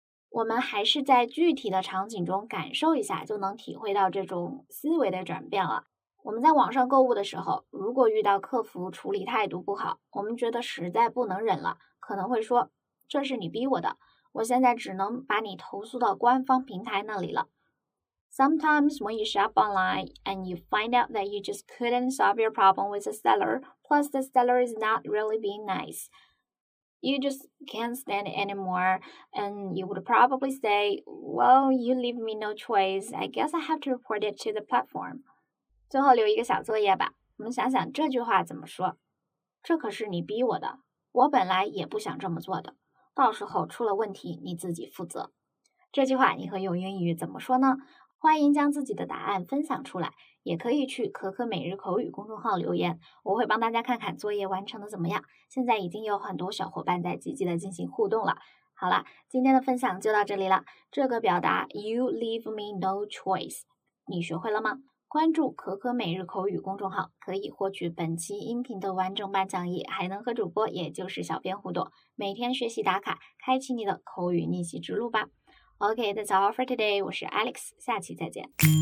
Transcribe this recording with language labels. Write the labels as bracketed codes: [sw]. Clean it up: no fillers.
[zh] 我们还是在具体的场景中感受一下，就能体会到这种思维的转变了。我们在网上购物的时候，如果遇到客服处理态度不好，我们觉得实在不能忍了，可能会说，这是你逼我的，我现在只能把你投诉到官方平台那里了。 [en] Sometimes when you shop online and you find out that you just couldn't solve your problem with the seller, plus the seller is not really being nice, you just can't stand it anymore, and you would probably say, well, you leave me no choice, I guess I have to report it to the platform. [zh] 最后留一个小作业吧，我们想想这句话怎么说。这可是你逼我的，我本来也不想这么做的，到时候出了问题你自己负责。这句话你会用英语怎么说呢？欢迎将自己的答案分享出来，也可以去可可每日口语公众号留言，我会帮大家看看作业完成的怎么样。现在已经有很多小伙伴在积极的进行互动了。好了，今天的分享就到这里了。这个表达 [en] You leave me no choice， [zh] 你学会了吗？关注可可每日口语公众号，可以获取本期音频的完整版讲义，还能和主播也就是小编互动，每天学习打卡，开启你的口语练习之路吧。 [en] OK, that's all for today. [zh] 我是 Alex, 下期再见。